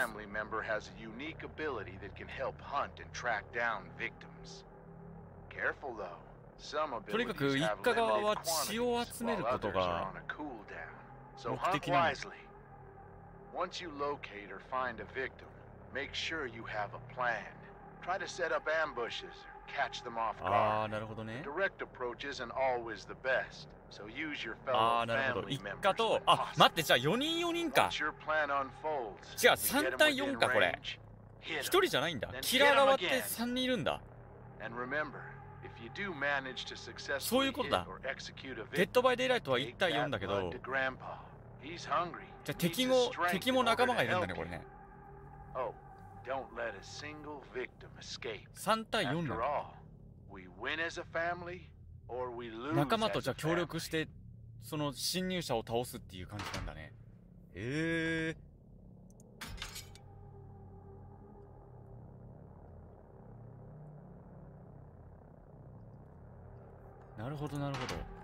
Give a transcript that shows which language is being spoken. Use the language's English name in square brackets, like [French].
[English] family member has a unique ability that can help hunt and track down victims. Careful though. Some abilities. [Japanese] とにかく一家側は血を集めることが目的なんです。 [English] Once you locate or find a victim, make sure you have a plan. Try to set up ambushes or catch them off guard. [Japanese] ああ、なるほどね。 [English] Direct approach isn't always the best, so use your fellow family members. [Japanese] ああ、なるほど。一家と、あ、待って、じゃあ4人4人か。 [English] Once your plan unfolds, [Japanese] 違う、3対4か、これ。1人じゃないんだ。キラー側って3人いるんだ。 [English] And remember, if you do manage to successfully hit or execute a victim, take that blood to Grandpa. Dead by Daylight [Japanese] は1対4だけど。 [English] He's hungry. [Japanese] じゃあ敵も仲間がいるんだね、これね。 [English] Oh, don't let a single victim escape. [Japanese] 3対4だ。 [English] We win as a family, or we lose. [Japanese] 仲間とじゃあ協力して、その侵入者を倒すっていう感じなんだね。なるほど、なるほど。